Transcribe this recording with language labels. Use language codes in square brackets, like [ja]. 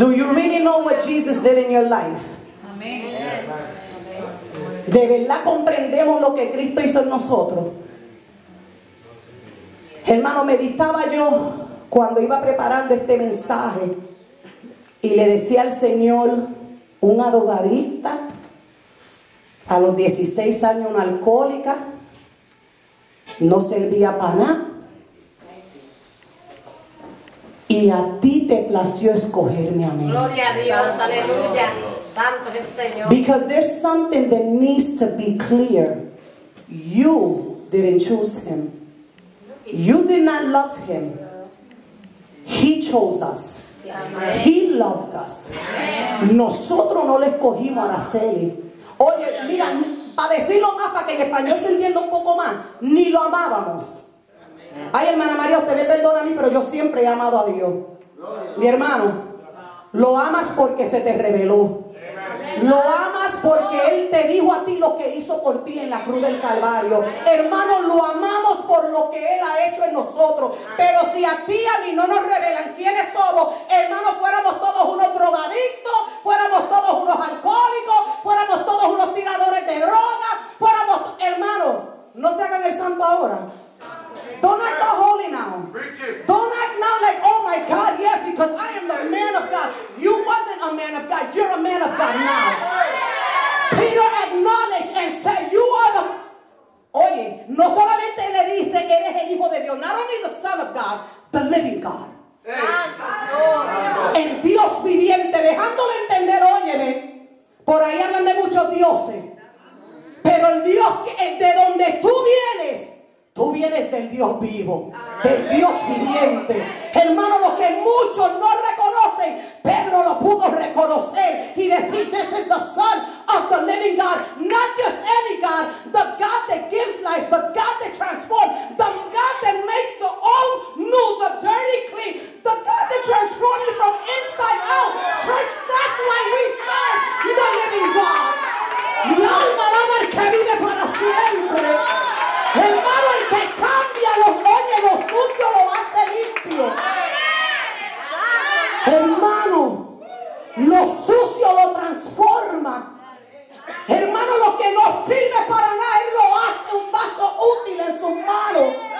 [en] Do you really know what Jesus did in your life? [es] Amén. ¿De verdad comprendemos lo que Cristo hizo en nosotros? Hermano, meditaba yo cuando iba preparando este mensaje y le decía al Señor, un adogadista, a los 16 años una alcohólica, no servía para nada. Y a ti te plació escogerme a mí. Gloria a Dios, aleluya. Santo es el Señor. [en] Because there's something that needs to be clear. You didn't choose him. You did not love him. He chose us. He loved us. [es] Nosotros no le escogimos a Araceli. Oye, mira, para decirlo más, para que en español se entienda un poco más, ni lo amábamos. Ay, hermana María, usted me perdona a mí, pero yo siempre he amado a Dios. Mi hermano, lo amas porque se te reveló. Lo amas porque Él te dijo a ti lo que hizo por ti en la cruz del Calvario. Hermano, lo amamos por lo que Él ha hecho en nosotros. Pero si a ti y a mí no nos revelan quiénes somos, hermano, fuéramos todos unos drogadictos, fuéramos todos unos alcohólicos, fuéramos todos unos tiradores de droga, fuéramos, hermano, no se hagan el santo ahora. [en] Don't act all holy now. Don't act now like, oh my God, yes, because I am the man of God. You wasn't a man of God. You're a man of God now. Peter acknowledged and said, you are the... [es] Oye, no solamente le dice que eres el hijo de Dios. [en] Not only the son of God, the living God. [es] El Dios viviente, dejándole entender, óyeme, por ahí hablan de muchos dioses. Pero el Dios que, de donde tú vienes, tú vienes del Dios vivo, del Dios viviente. Hermano, lo que muchos no reconocen, Pedro lo pudo reconocer y decir, [en] this is the son of the living God, not just any God, the God that gives life, the God that transforms, the God that makes the old new, the dirty clean, the God that transforms you from inside out. Church, that's why we serve the living God. [es] Mi alma ama el que vive para siempre. Hermano, el que cambia los hombres, los sucios lo hace limpio. Hermano, lo sucio lo transforma. Hermano, lo que no sirve para nada, Él lo hace un vaso útil en sus manos.